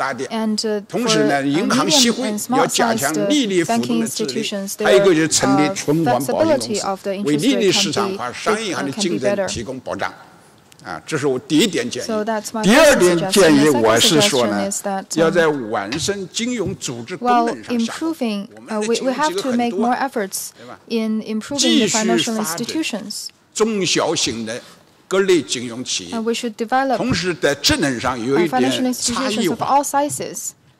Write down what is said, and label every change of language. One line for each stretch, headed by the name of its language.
English: And for medium and small-sized banking institutions, their flexibility of the interest rate can be better.
Chinese: 这是我第一点建议。
English: So that's my first suggestion. The second suggestion is that while improving, we have to make more efforts in improving the financial institutions.
Chinese: 中小型的各类金融企业,
English: and we should develop financial institutions of all sizes.